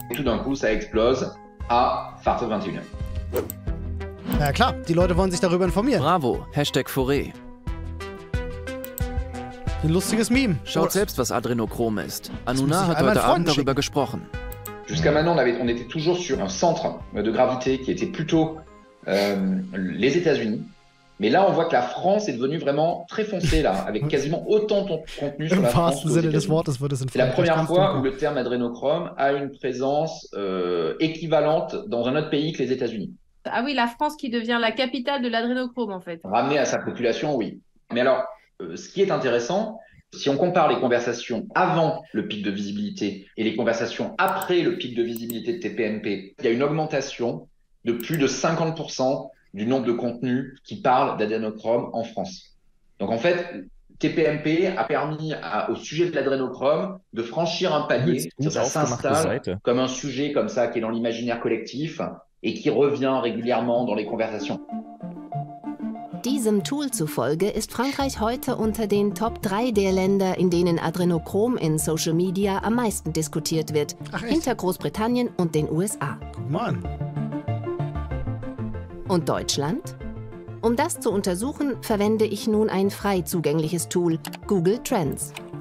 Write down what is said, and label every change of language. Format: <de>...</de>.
<fr>Und tout d'un coup, ça explose à partir de 21.</fr> <de>Na ja, klar, die Leute wollen sich darüber informieren. Bravo, Hashtag Fauré. Ein lustiges Meme. Schaut selbst, was Adrenochrom ist. Anuna hat heute Abend darüber gesprochen.</de> <fr>Jusqu'à maintenant, on était toujours sur un centre de gravité qui était plutôt... les États-Unis, mais là on voit que la France est devenue vraiment très foncée là, avec quasiment autant de contenu sur la France.</fr> <de>Sinne des Wortes wird es in Frankreich.</de> <fr>La première fois où le terme adrénochrome a une présence équivalente dans un autre pays que les États-Unis. Ah oui, la France qui devient la capitale de l'adrénochrome en fait. Ramenée à sa population, oui. Mais alors, ce qui est intéressant, Si on compare les conversations avant le pic de visibilité et les conversations après le pic de visibilité de TPMP, il y a une augmentation de plus de 50% du nombre de contenus qui parlent d'adrénochrome en France. Donc en fait, TPMP a permis au sujet de l'adrénochrome de franchir un palier, ça s'installe comme un sujet comme ça qui est dans l'imaginaire collectif et qui revient régulièrement dans les conversations.</fr> <de>Diesem Tool zufolge ist Frankreich heute unter den Top 3 der Länder, in denen Adrenochrom in Social Media am meisten diskutiert wird, hinter Großbritannien und den USA. Mann. Und Deutschland? Um das zu untersuchen, verwende ich nun ein frei zugängliches Tool, Google Trends.</de>